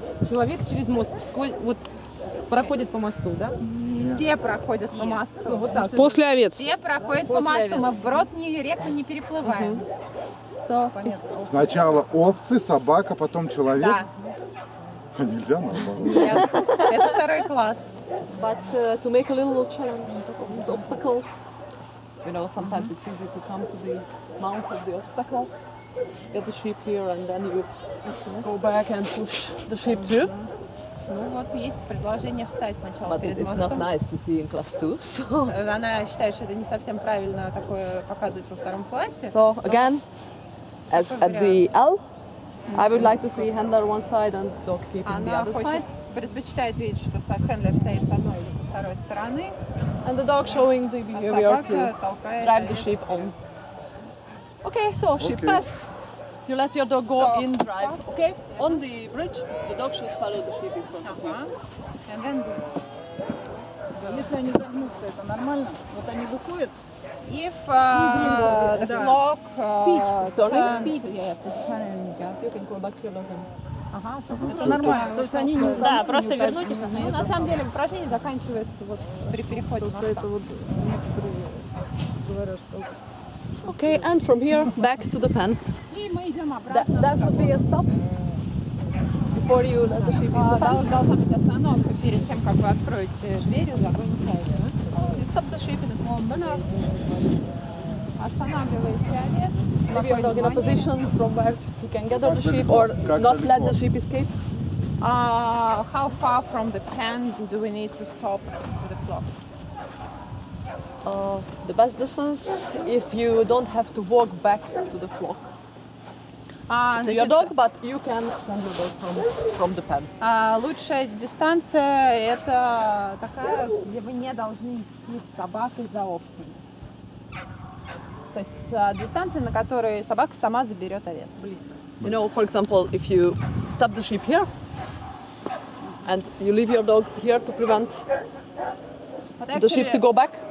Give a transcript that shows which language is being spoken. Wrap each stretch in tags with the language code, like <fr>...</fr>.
<ru>Человек через мост, вот проходит по мосту, да? Все проходят по мосту. Вот так. После овец. Все проходят по мосту, мы вброд ни реку не переплываем.</ru> <en>So,</en> <ru>сначала овцы, собака, потом человек. Да. Нельзя, наоборот. Нет, это второй класс.</ru> <en>But to make a little challenge, this obstacle, you know, sometimes it's easy to come to the mouth of the obstacle, get the sheep here, and then you go back and push the sheep too.</en> <ru>Ну вот есть предложение встать сначала перед мостом.</ru> <en>But it's not nice to see in class two. So.</en> <ru>Она считает, что это не совсем правильно такое показывать во втором классе.</ru> <en>So again. As at the L, I would like to see handler one side and dog keeping the other side.</en> <ru>Предпочитает видеть, что handler стоит с одной или со второй стороны.</ru> <en>And the dog showing the behavior to drive the sheep on. Okay, so sheep pass. You let your dog go in drive. Okay, on the bridge, the dog should follow the sheep in front of you. And then.</en> <ru>они загнутся, это нормально? Вот они выходят.</ru> <en>If the flock</en> <ru>это нормально, то есть они не да, просто вернуть их. Ну, на самом деле упражнение заканчивается вот при переходе. Вот это вот некоторые говорят, что...</ru> <en>Okay, and from here, back to the pen. That should be a stop before you let the ship in the pen.</en> <ru>Должна быть остановка перед тем, как вы откроете дверь и закроете</ru> <en>овец. You stop the ship in the pen.</en> <ru>Останавливаете овец.</ru> <en>Maybe you're in a position from where you can gather the ship or not let the ship escape. How far from the pen do we need to stop the flock? The best distance if you don't have to walk back to the flock to your dog, but you can send your dog from the pen.</en> <ru>Лучшая дистанция это такая, где вы не должны идти с собакой за овцами. То есть дистанция, на которой собака сама заберет овец. Близко.</ru> <en>You know, for example, if you stop the sheep here and you leave your dog here to prevent the sheep to go back.</en>